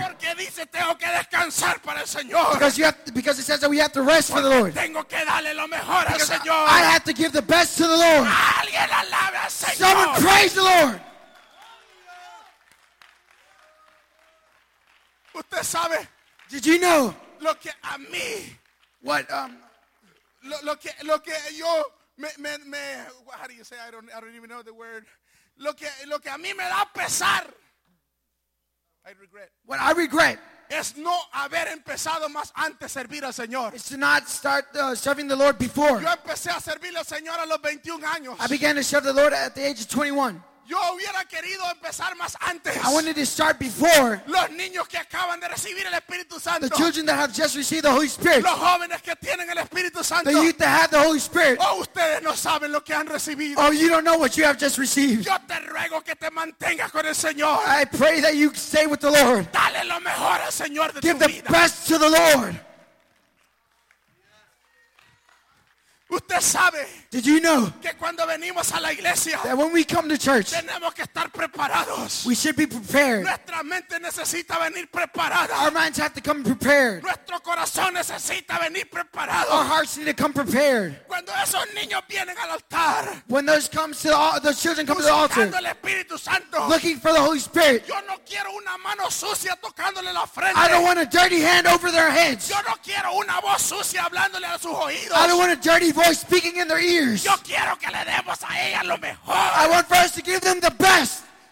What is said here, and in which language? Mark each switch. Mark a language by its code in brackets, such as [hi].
[es] Porque dice tengo que descansar para el Señor. [en] Because it says that we have to rest [es] porque [en] for the Lord. [es] Tengo que darle lo mejor [en] because [es] al Señor. [en] I have to give the best to the Lord. [es] Alguien alabe al Señor. [en] Someone praise the Lord. [es] Usted sabe, [en] did you know [es] lo que a mí, [en] what [es] lo que yo me [en] how do you say I don't even know the word [es] lo que a mí me da pesar [en] I regret what I regret [es] es no haber empezado más antes servir al Señor. [en] It's to not start serving the Lord before. [es] Yo empecé a servir al Señor a los 21 años. [en] I began to serve the Lord at the age of 21. [es] Yo hubiera querido empezar más antes. [en] I wanted to start before. [es] Los niños que acaban de recibir el Espíritu Santo. [en] The children that have just received the Holy Spirit. [es] Los jóvenes que tienen el Espíritu Santo. [en] The youth that have the Holy Spirit. [es] Oh, ustedes no saben lo que han recibido. [en] Oh, you don't know what you have just received. [es] Yo te ruego que te mantengas con el Señor. [en] I pray that you stay with the Lord. [es] Dale lo mejor al Señor de tu vida. [en] Give the best to the Lord. [es] Usted sabe. [en] Did you know [es] que cuando venimos a la iglesia, [en] that when we come to church, [es] tenemos que estar preparados. [en] We should be prepared. [es] Nuestra mente necesita venir preparada. [en] Our minds have to come prepared. [es] Nuestro corazón necesita venir preparado. [en] Our hearts need to come prepared. [es] Cuando esos niños vienen al altar, [en] when those children come to the altar, [es] buscando el Espíritu Santo, [en] looking for the Holy Spirit, [es] yo no quiero una mano sucia tocándole la frente. [en] I don't want a dirty hand over their heads. [es] Yo no quiero una voz sucia hablándole a sus oídos. [en] I don't want a dirty voice speaking in their ears. [es] Yo quiero que le demos a ella lo mejor. [en] I want for us to give them the best.